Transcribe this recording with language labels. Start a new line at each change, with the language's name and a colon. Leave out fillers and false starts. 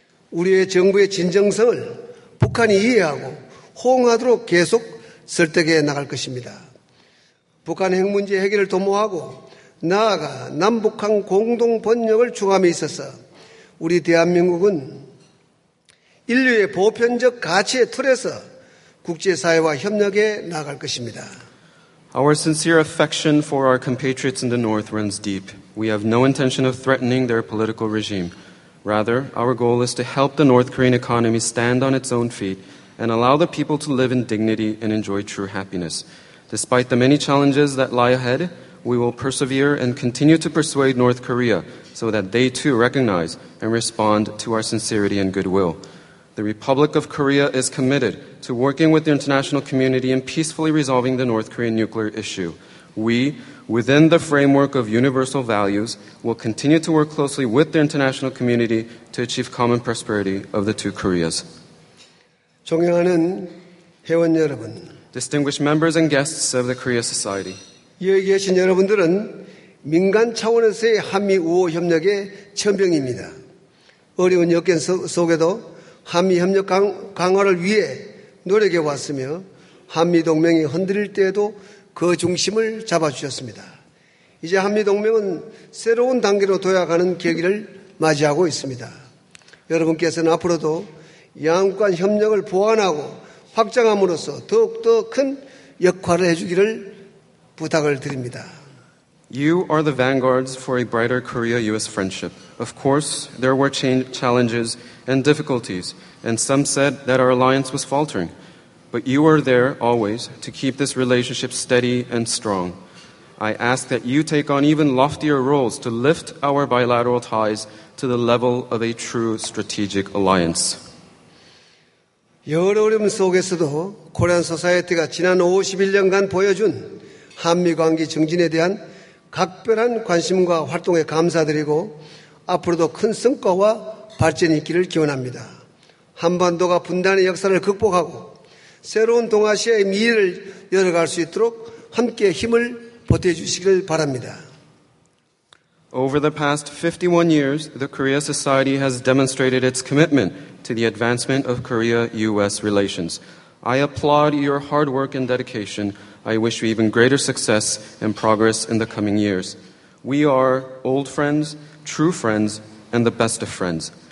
Korean: 우리의 정부의 진정성을 북한이 이해하고 호응하도록 계속 설득해 나갈 것입니다. 북한 핵 문제 해결을 도모하고 나아가 남북한 공동 번영을 추구함에 있어서 우리 대한민국은 인류의 보편적 가치의 틀에서 국제사회와 협력해 나아갈 것입니다.
English: Our sincere affection for our compatriots in the North runs deep. We have no intention of threatening their political regime. Rather, our goal is to help the North Korean economy stand on its own feet and allow the people to live in dignity and enjoy true happiness. Despite the many challenges that lie ahead, we will persevere and continue to persuade North Korea so that they too recognize and respond to our sincerity and goodwill. The Republic of Korea is committed to working with the international community in peacefully resolving the North Korean nuclear issue. We, within the framework of universal values, will continue to work closely with the international community to achieve common prosperity of the two Koreas.
Korean: 존경하는 회원 여러분,
English: distinguished members and guests of the Korea Society,
Korean: 여기 계신 여러분들은 민간 차원에서의 한미 우호 협력의 첨병입니다. 어려운 역경 속에도 한미 협력 강화를 위해 노력해 왔으며 한미 동맹이 흔들릴 때에도 그 중심을 잡아 주셨습니다. 이제 한미 동맹은 새로운 단계로 도약하는 계기를 맞이하고 있습니다. 여러분께서는 앞으로도 양국 간 협력을 보완하고 확장함으로써 더욱더 큰 역할을 해 주기를 부탁을 드립니다.
English: You are the vanguards for a brighter Korea-US friendship. Of course, there were challenges and difficulties, and some said that our alliance was faltering. But you are there always to keep this relationship steady and strong. I ask that you take on even loftier roles to lift our bilateral ties to the level of a true strategic alliance.
Korean: 여러 어려움 속에서도 코리안 소사이어티가 지난 51년간 보여준 한미 관계 증진에 대한 각별한 관심과 활동에 감사드리고 앞으로도 큰 성과와 발전이 있기를 기원합니다. 한반도가 분단의 역사를 극복하고 새로운 동아시아의 미래를 열어갈 수 있도록 함께 힘을 보태주시기를 바랍니다.
English: Over the past 51 years, the Korea Society has demonstrated its commitment to the advancement of Korea-U.S. relations. I applaud your hard work and dedication. I wish you even greater success and progress in the coming years. We are old friends, true friends, and the best of friends.